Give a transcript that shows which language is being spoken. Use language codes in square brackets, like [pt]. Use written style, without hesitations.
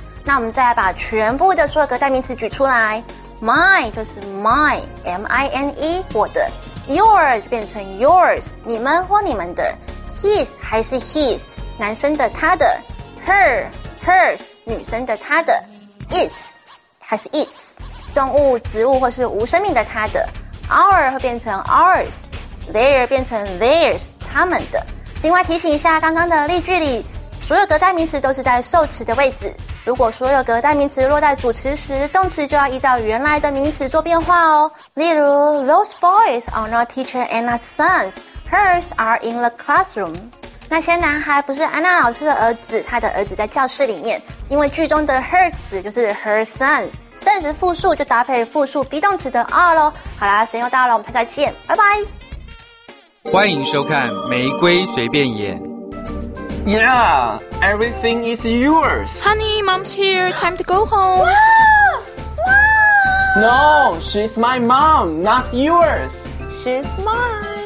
[zh] 那我们再把全部的所有格代名词举出来 ，my 就是 my m i n e 我的 ，your 变成 yours 你们或你们的 ，his 还是 his 男生的他的 ，her hers 女生的她的 ，it 还是 its 动物、植物或是无生命的它的 ，our 会变成 ours， their 变成 theirs 他们的。另外提醒一下，刚刚的例句里所有格代名词都是在受词的位置，如果所有格代名词落在主词时，动词就要依照原来的名词做变化哦。 [en] 例如 Those boys are not teacher Anna's sons. Hers are in the classroom. [zh] 那些男孩不是安娜老师的儿子，他的儿子在教室里面。因为句中的 hers 就是 her sons， sons 复数就搭配复数 be 动词的 are 咯。好啦，时间又到了，我们再见，拜拜。欢迎收看玫瑰随便演。 [en] Yeah, everything is yours. Honey, mom's here. Time to go home. Wow! No, she's my mom, not yours. She's mine.